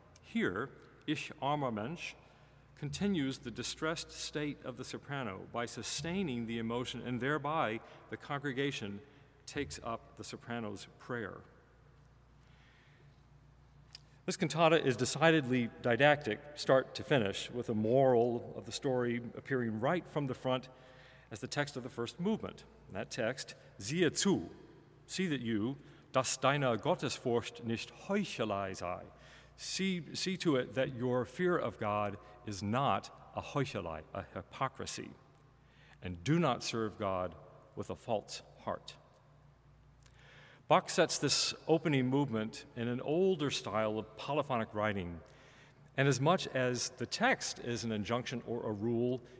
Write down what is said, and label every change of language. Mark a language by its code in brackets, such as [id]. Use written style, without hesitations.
[en] Here, Ich armer Mensch continues the distressed state of the soprano by sustaining the emotion, and thereby the congregation takes up the soprano's prayer. This cantata is decidedly didactic, start to finish, with a moral of the story appearing right from the front as the text of the first movement. And that text, [de] siehe zu, [en] see that you, [de] dass deine Gottesfurcht nicht Heuchelei sei. [en] See to it that your fear of God is not a Heuchelei, a hypocrisy, and do not serve God with a false heart. Bach sets this opening movement in an older style of polyphonic writing, and as much as the text is an injunction or a rule,